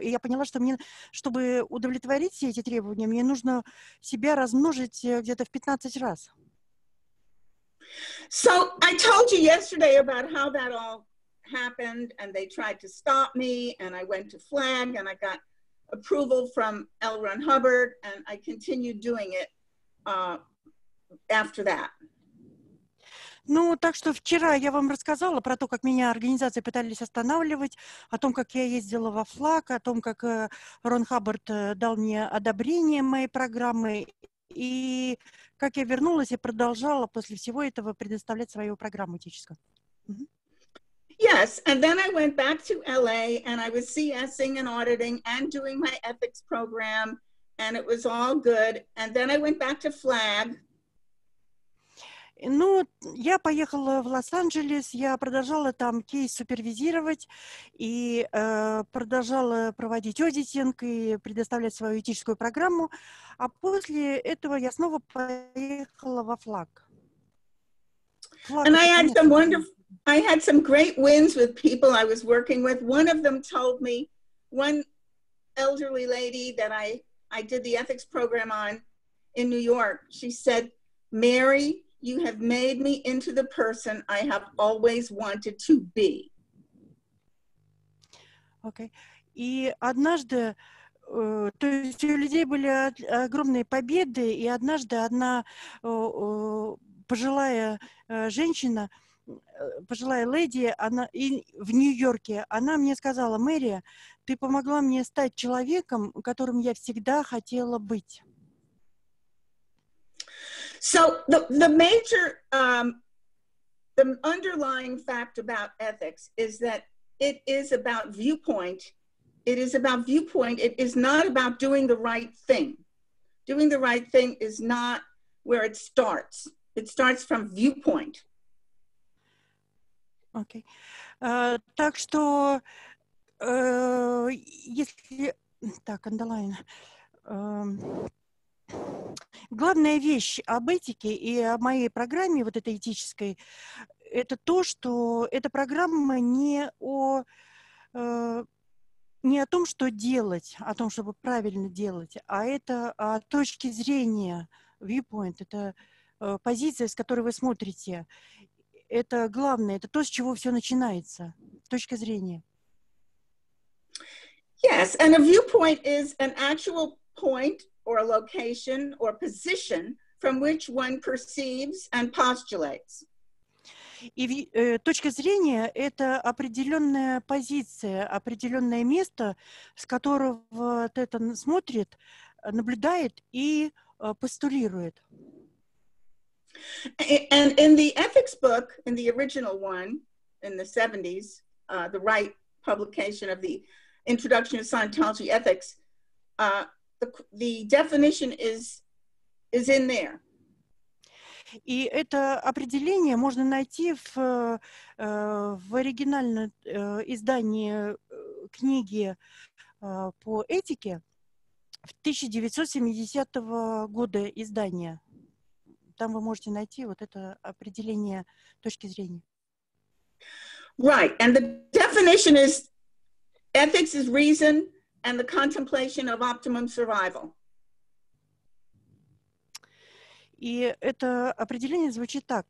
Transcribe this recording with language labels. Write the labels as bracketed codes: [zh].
[ru] И я поняла, что мне, чтобы удовлетворить все эти требования, мне нужно себя размножить где-то в 15 раз. [en] So I told you yesterday about how that all happened, and they tried to stop me, and I went to flag, and I got approval from L. Ron Hubbard, and I continued doing it after that. [ru] Ну, так что вчера я вам рассказала про то, как меня организации пытались останавливать, о том, как я ездила во ФЛАГ, о том, как Рон Хаббард дал мне одобрение моей программы, и как я вернулась и продолжала после всего этого предоставлять свою программу этическую. [en] Yes, and then I went back to LA, and I was CSing and auditing and doing my ethics program, and it was all good, and then I went back to FLAG. [ru] Ну, я поехала в Лос-Анджелес, я продолжала там кейс супервизировать и продолжала проводить аудитинг и предоставлять свою этическую программу. А после этого я снова поехала во ФЛАГ. [en] And I had some wonderful, I had some great wins with people I was working with. One of them told me, one elderly lady that I did the ethics program on in New York, she said, Mary, you have made me into the person I have always wanted to be. Okay. [ru] И однажды, то есть у людей были огромные победы, и однажды одна пожилая женщина, пожилая леди, она в Нью-Йорке, она мне сказала, Мэри, ты помогла мне стать человеком, которым я всегда хотела быть. [en] So the major, the underlying fact about ethics is that it is about viewpoint. It is about viewpoint. It is not about doing the right thing. Doing the right thing is not where it starts. It starts from viewpoint. Okay. [ru] Так что, если, так, [en] underline, [ru] главная вещь об этике и о моей программе, вот этой этической, это то, что эта программа не о том, что делать, о том, чтобы правильно делать, а это о точке зрения, [en] viewpoint, [ru] это позиция, с которой вы смотрите. Это главное, это то, с чего все начинается, точка зрения. [en] Yes, and a viewpoint is an actual point or a location or position from which one perceives and postulates. [ru] И точка зрения — это определенная позиция, определенное место, с которого ты это смотрит, наблюдает и постулирует. [en] And in the ethics book, in the original one, in the 70s, the Wright publication of the Introduction to Scientology Ethics, the definition is in there. [ru] И это определение можно найти в оригинальном издании книги по этике в 1970 года издания. Там вы можете найти вот это определение точки зрения. [en] Right, and the definition is ethics is reason and the contemplation of optimum survival. [ru] И это определение звучит так.